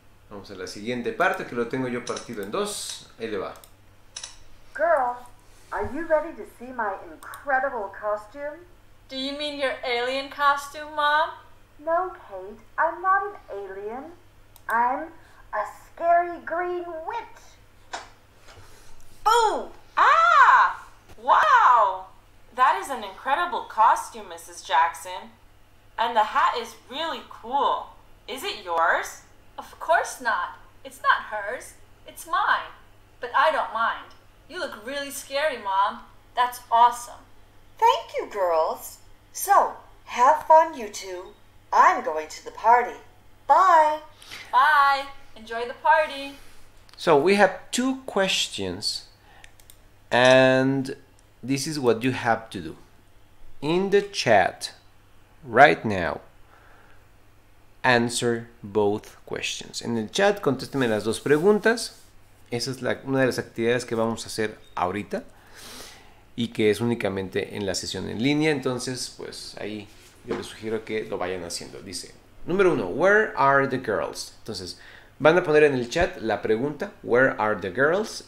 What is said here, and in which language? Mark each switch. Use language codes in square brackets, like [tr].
[es] Vamos a la siguiente parte que lo tengo yo partido en dos. Ahí le va. [en] Girl, are you ready to see my incredible costume? Do you mean your alien costume, Mom? No, Kate, I'm not an alien. I'm a scary green witch. Boom! Ah! Wow! That is an incredible costume, Mrs. Jackson. And the hat is really cool. Is it yours? Of course not. It's not hers. It's mine. But I don't mind. You look really scary, Mom. That's awesome. Thank you, girls. So, have fun, you two. I'm going to the party. Bye. Bye. Enjoy the party. So, we have two questions. And this is what you have to do. In the chat, right now, answer both questions. [es] En el chat, contésteme las dos preguntas. Esa es una de las actividades que vamos a hacer ahorita y que es únicamente en la sesión en línea. Entonces, pues ahí yo les sugiero que lo vayan haciendo. Dice, número uno, [en] where are the girls? [es] Entonces, van a poner en el chat la pregunta, where are the girls?